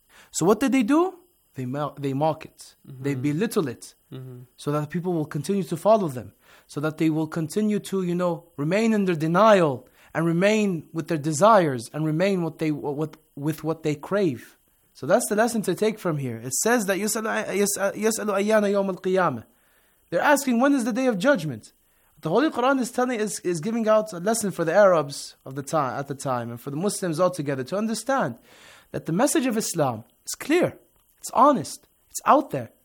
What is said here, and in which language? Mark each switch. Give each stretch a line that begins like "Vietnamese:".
English: So what did they do? They mock it. Mm-hmm. They belittle it. Mm-hmm. So that people will continue to follow them. So that they will continue to, you know, remain in their denial and remain with their desires and remain with what they crave. So that's the lesson to take from here. It says that
Arabic: يسأل أيان يوم القيامة.
English: They're asking, when is the day of judgment? The Holy Quran is giving out a lesson for the Arabs of the time, at the time, and for the Muslims altogether to understand that the message of Islam is clear. It's honest. It's out there.